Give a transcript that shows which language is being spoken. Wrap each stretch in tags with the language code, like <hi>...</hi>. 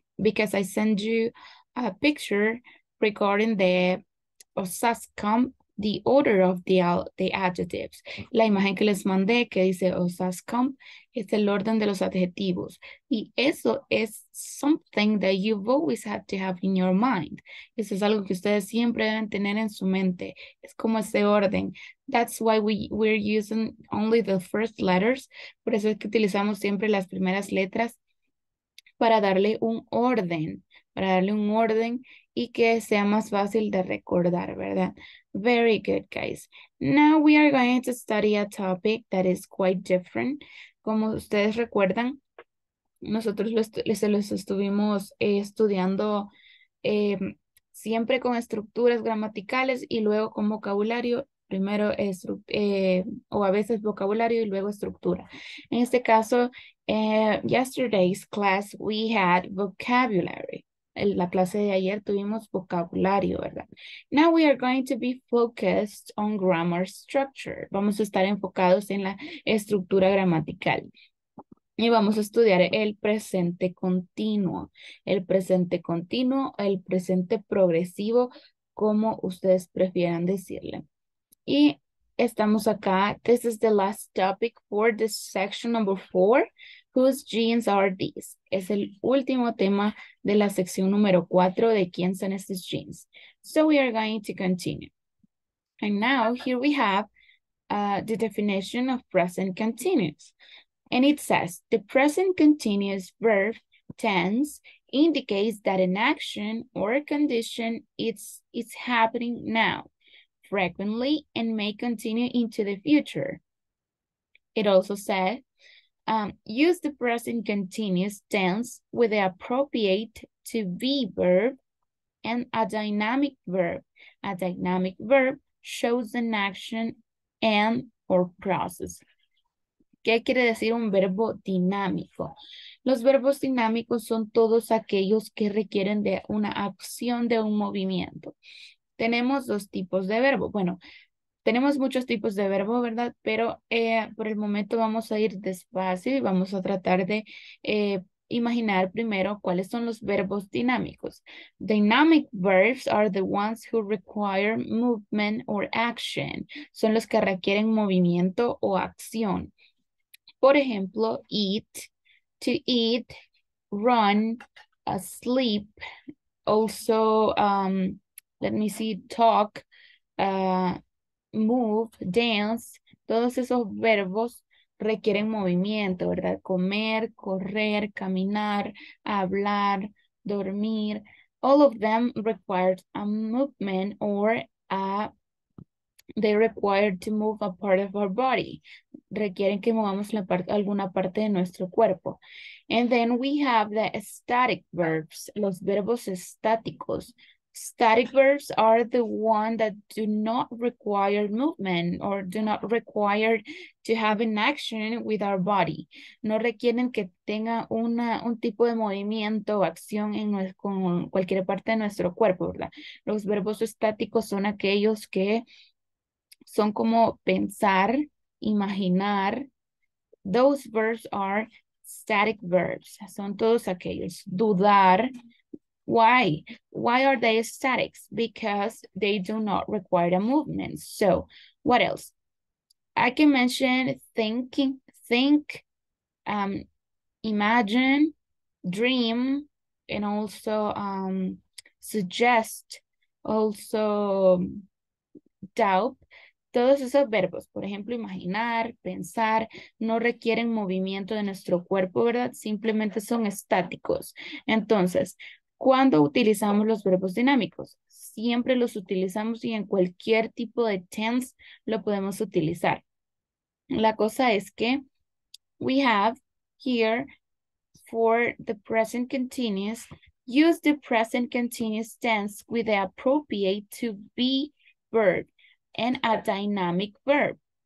<en>because I sent you a picture regarding the osascom, the order of the adjectives.</en> <es>La imagen que les mandé que dice osascom es el orden de los adjetivos. Y eso es</es> <en>something that you've always had to have in your mind.</en> <es>Eso es algo que ustedes siempre deben tener en su mente. Es como ese orden.</es> <en>That's why we're using only the first letters.</en> <es>Por eso es que utilizamos siempre las primeras letras para darle un orden, para darle un orden y que sea más fácil de recordar, ¿verdad?</es> <en>Very good, guys. Now we are going to study a topic that is quite different.</en> <es>Como ustedes recuerdan, nosotros los estuvimos estudiando siempre con estructuras gramaticales y luego con vocabulario. Primero, o a veces vocabulario y luego estructura. En este caso,</es> <en>yesterday's class we had vocabulary.</en> <es>En la clase de ayer tuvimos vocabulario, ¿verdad?</es> <en>Now we are going to be focused on grammar structure.</en> <es>Vamos a estar enfocados en la estructura gramatical. Y vamos a estudiar el presente continuo. El presente continuo, el presente progresivo, como ustedes prefieran decirle. Y estamos acá.</es> <en>This is the last topic for this section number 4. Whose jeans are these?</en> <es>Es el último tema de la sección número 4 de quién son estos jeans.</es> <en>So we are going to continue. And now here we have the definition of present continuous. And it says the present continuous verb tense indicates that an action or a condition is happening now, frequently, and may continue into the future. It also said, use the present continuous tense with the appropriate to be verb and a dynamic verb. A dynamic verb shows an action and or process.</en> <es>¿Qué quiere decir un verbo dinámico? Los verbos dinámicos son todos aquellos que requieren de una acción, de un movimiento. Tenemos dos tipos de verbo. Bueno, tenemos muchos tipos de verbo, ¿verdad? Pero por el momento vamos a ir despacio y vamos a tratar de imaginar primero cuáles son los verbos dinámicos.</es> <en>Dynamic verbs are the ones who require movement or action.</en> <es>Son los que requieren movimiento o acción. Por ejemplo,</es> <en>eat, to eat, run, sleep, also, let me see, talk, move, dance.</en> <es>Todos esos verbos requieren movimiento, ¿verdad? Comer, correr, caminar, hablar, dormir.</es> <en>All of them require a movement or they require to move a part of our body.</en> <es>Requieren que movamos alguna parte de nuestro cuerpo.</es> <en>And then we have the static verbs,</en> <es>los verbos estáticos.</es> <en>Static verbs are the ones that do not require movement or do not require to have an action with our body.</en> <es>No requieren que tenga un tipo de movimiento o acción con cualquier parte de nuestro cuerpo, ¿verdad? Los verbos estáticos son aquellos que son como pensar, imaginar.</es> <en>Those verbs are static verbs.</en> <es>Son todos aquellos. Dudar.</es> <en>Why? Why are they statics? Because they do not require a movement. So, what else? I can mention thinking, think, imagine, dream, and also suggest, also doubt.</en> <es>Todos esos verbos, por ejemplo, imaginar, pensar, no requieren movimiento de nuestro cuerpo, ¿verdad? Simplemente son estáticos. Entonces, ¿cuándo utilizamos los verbos dinámicos? Siempre los utilizamos y en cualquier tipo de tense lo podemos utilizar. La cosa es que</es> <en>we have here for the present continuous, use the present continuous tense with the appropriate to be verb and a dynamic verb.</en>